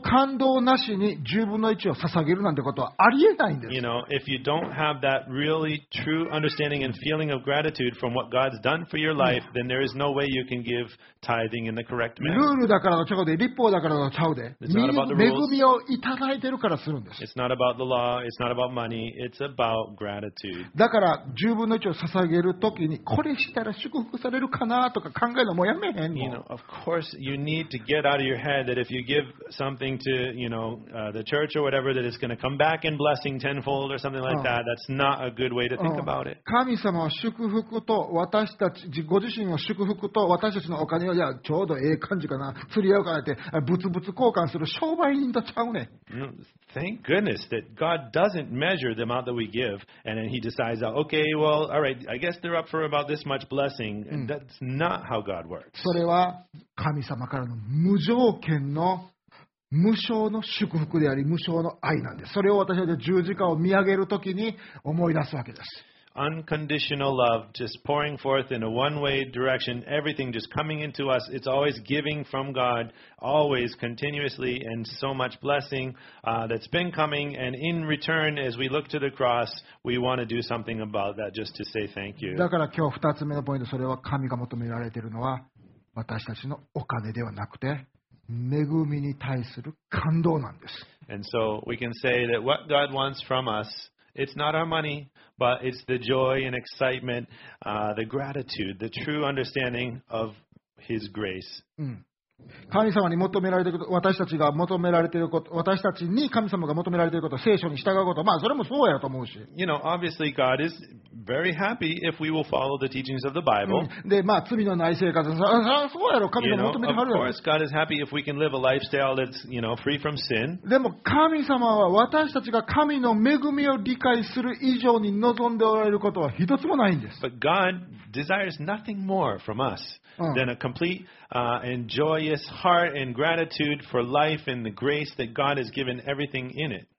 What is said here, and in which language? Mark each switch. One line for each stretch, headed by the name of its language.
Japanese: その感動なしに十分の一を捧げるなんてことはありえないんです。
English: You know, if you don't have that really true understanding and feeling of gratitude from what God's done for your life, then there is no way you can give tithing in the correct manner.
Japanese: ルールだからのちゃうで、立法だからのちゃうで、恵みをいただいてるからするんです。
English: It's not about the law, it's not about money, it's about gratitude.
Japanese: だから十分の一を捧げるときにこれしたら祝福されるかなとか考えるのもやめへんの。
English: You know, of course you need to get out of your head that if you give something to, you know, the church or whatever, that it's going to come back in blessing tenfold or something like that. That's not a good way to think about it.
Japanese: 神様は祝福と私たち、ご自身を祝福と私たちのお金を、いや、ちょうどええ感じかな、釣り合うかなって、ぶつぶつ交換する商売人とちゃうね。
English: Thank goodness that God doesn't measure the amount that we give and then he decides, okay, well, all right, I guess they're up for about this much blessing. And that's not how God works.
Japanese: それは神様からの無条件の無償の祝福であり無償の愛なんです。それを私たちは十字架を見上げるときに思い出すわけです。
English: Unconditional love just pouring forth in a one-way direction, everything just coming into us. It's always giving from God, always continuously, and so much blessing, that's been coming. And in return, as we look to the cross, we want to do something about that just to say thank you.
Japanese: だから今日二つ目のポイント、それは神が求められているのは私たちのお金ではなくて恵みに対する感動なんです。
English: And so we can say that what God wants from us, it's not our money, but it's the joy and excitement, the gratitude, the true understanding of His grace.
Japanese: 神様に求められていること、私たちが求められていること、私たちに神様が求められていること、聖書に従うこと、まあそれもそうやと思うし。
English: You know, obviously God is very happy if we will follow the teachings of the Bible.
Japanese: で、まあ罪のない生活、そうやろ、神様求めてはるやろ。
English: Of course, God is happy if we can live a lifestyle that's, you know, free from sin.
Japanese: でも神様は私たちが神の恵みを理解する以上に望んでおられることは一つもないんです。
English: But God desires nothing more from us than a complete, and joyous heart and gratitude for life and the grace that God has given everything in it.